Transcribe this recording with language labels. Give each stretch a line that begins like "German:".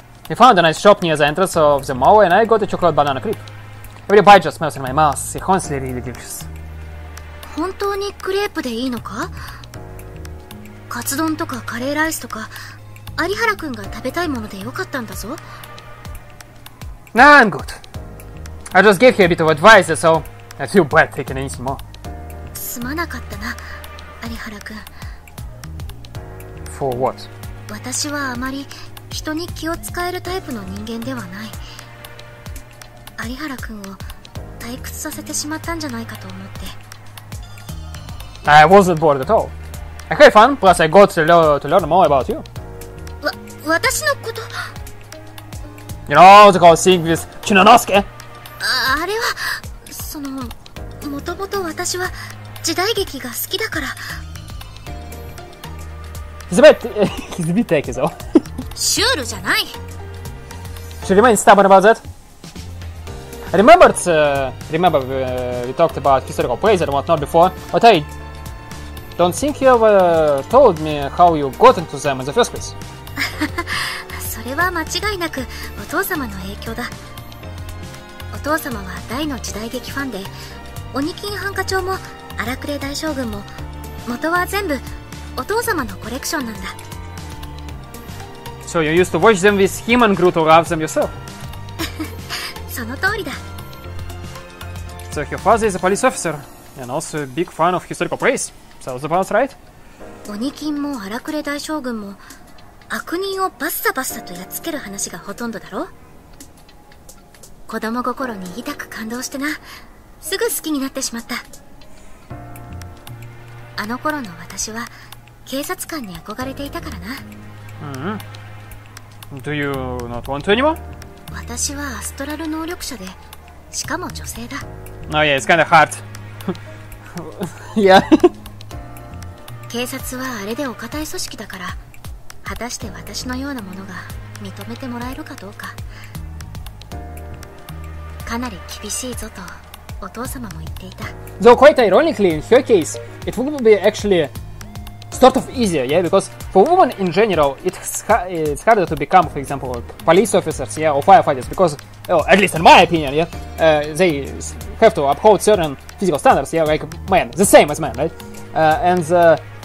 English: I found a nice shop near the entrance of the mall and I got a chocolate banana crepe. Every bite just melts in my mouth. It's honestly really delicious.
Japanese: 本当にクレープでいいのか？カツ丼とかカレーライスとか。有原くんが食べたいものでよかったんだぞ。
English: Nah, I'm good. I just gave her a bit of advice, so I feel bad taking anything more.
Japanese: すまなかったな、有原くん。
English: For what?
Japanese: 私はあまり人に気を使えるタイプの人間ではない。有原くんを退屈させてしまったんじゃないかと思って。
English: I wasn't bored at all. I had fun, plus I got to learn more about you.
Japanese: 私のこと。
English: You know the whole thing with Chinonosuke?
Japanese: あれは、その、もともと私は時代劇が好きだから。
English: He's a bit tacky though.
Japanese: シュールじゃない。
English: She remains stubborn about that. I remember we talked about historical plays and whatnot before, but I don't think you ever told me how you got into them in the first place.
Japanese: それは間違いなくお父様の影響だ。お父様は大の時代劇ファンで、鬼金ハンカチョウも荒くれ大将軍も元は全部お父様のコレクションなんだ。
English: So you used to watch them with him and grew to love them yourself?
Japanese: その通りだ。
English: So your father is a police officer and also a big fan of historical plays. Sounds about right?
Japanese: 鬼金も荒くれ大将軍も悪人をバッサバッサとやっつける話がほとんどだろ。子供心に痛く感動してな、すぐ好きになってしまった。あの頃の私は警察官に憧れていたからな。
English: Do you not want to anymore?
Japanese: 私はアストラル能力者で、しかも女性だ。
English: Oh yeah, it's kind of hard. Yeah.
Japanese: 警察はあれでお堅い組織だから、果たして私のようなものが認めてもらえるかどうか。かなり厳しいぞとお父様も言っていた。
English: Though quite ironically, in her case, it would be actually sort of easier, yeah? Because for women in general, it's harder to become, for example, police officers, yeah, or firefighters, because, well, at least in my opinion, yeah, they have to uphold certain physical standards, yeah, like men, the same as men, right? And the